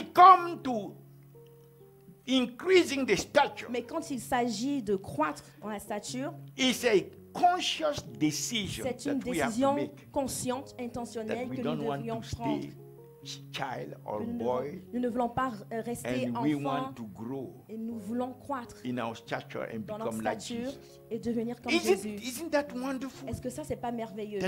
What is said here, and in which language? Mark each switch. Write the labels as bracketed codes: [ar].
[en] It comes to increasing the stature. [fr] Mais quand il s'agit de croître dans la stature. [en] It's a conscious decision [fr] c'est une [en] that [fr] décision [en] we have [fr] consciente, intentionnelle que nous devions prendre. [en] Child or boy, [fr] nous ne voulons pas rester [en] and [fr] enfant [en] we want to grow [fr] et nous voulons croître [en] in our stature and [fr] dans notre stature [en] like [fr] et devenir comme [en] is [fr] Jésus. [en] It, isn't that wonderful [fr] est-ce que ça, c'est pas merveilleux